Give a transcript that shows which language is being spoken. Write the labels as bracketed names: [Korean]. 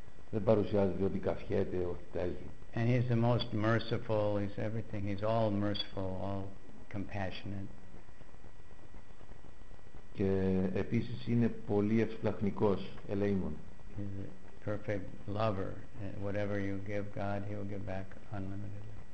[Greek] Δεν παρουσιάζεται ότι καυχέται, ότι τέλει. [English] And he's the most merciful. He's everything. He's all merciful, all compassionate. [Greek] Και επίσης είναι πολύ ευσπλαχνικός, ελεήμων. [English] He's a perfect lover. Whatever you give God, he will give back unlimitedly.